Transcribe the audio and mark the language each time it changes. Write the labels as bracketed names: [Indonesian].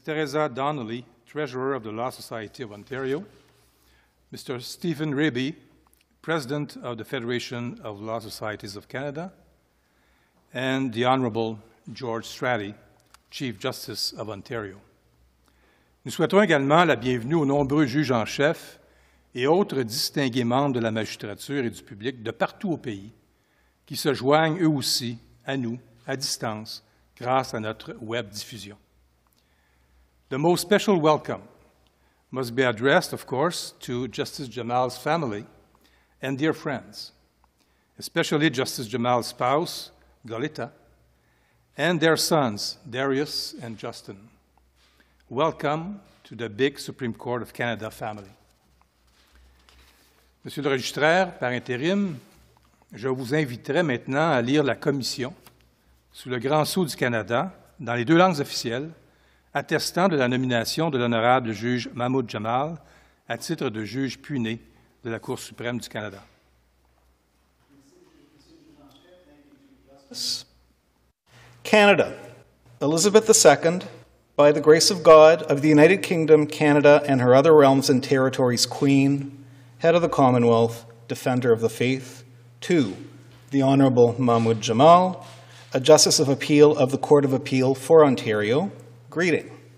[English] Teresa Donnelly, Treasurer of the Law Society of Ontario, Mr. Stephen Raby, President of the Federation of Law Societies of Canada, and the Honorable George Strati, Chief Justice of Ontario. [French] Nous souhaitons également la bienvenue aux nombreux juges en chef et autres distingués membres de la magistrature et du public de partout au pays qui se joignent eux aussi à nous à distance grâce à notre web diffusion. [English] The most special welcome must be addressed, of course, to Justice Jamal's family and dear friends, especially Justice Jamal's spouse, Galita, and their sons, Darius and Justin. Welcome to the big Supreme Court of Canada family. [French] Monsieur le registraire, par intérim, je vous inviterai maintenant à lire la commission sous le grand sceau du Canada dans les deux langues officielles, attestant de la nomination de l'honorable juge Mahmud Jamal à titre de juge puné de la Cour suprême du Canada. [English] Canada, Elizabeth II, by the grace of God, of the United Kingdom, Canada, and her other realms and territories, Queen, Head of the Commonwealth, Defender of the Faith, to the Honorable Mahmud Jamal, a Justice of Appeal of the Court of Appeal for Ontario, greeting.